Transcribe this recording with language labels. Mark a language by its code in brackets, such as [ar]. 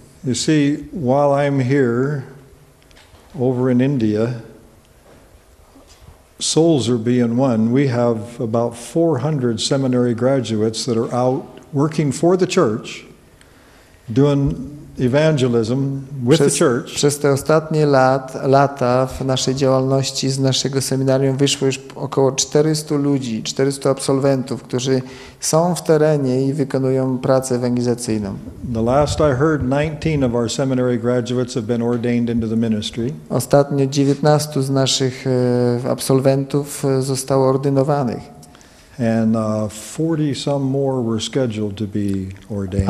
[en] You see, while I'm here over in India, souls are being won. We have about 400 seminary graduates that are out working for the church, doing evangelism with the church. [pl] Przez te ostatnie lata w naszej działalności z naszego seminarium wyszło już około 400 ludzi, 400 absolwentów, którzy są w terenie i wykonują pracę ewangelizacyjną. [en] The last I heard, 19 of our seminary graduates have been ordained into the ministry. [pl] Ostatnio 19 z naszych absolwentów zostało ordynowanych. [en] And 40 some more were scheduled to be ordained.